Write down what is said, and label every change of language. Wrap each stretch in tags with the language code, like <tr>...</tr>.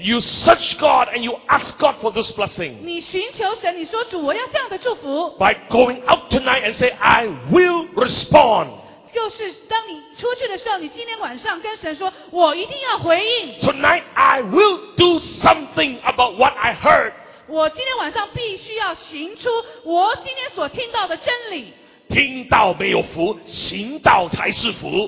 <en>You search God and you ask God for this blessing.</en> <zh>你寻求神，你说主，我要这样的祝福。</zh> <en>By going out tonight and say, I will respond.</en> <zh>就是当你出去的时候，你今天晚上跟神说，我一定要回应。</zh> <en>Tonight I will do something about what I heard.</en> <zh>我今天晚上必须要行出我今天所听到的真理。听到没有福，行道才是福。</zh>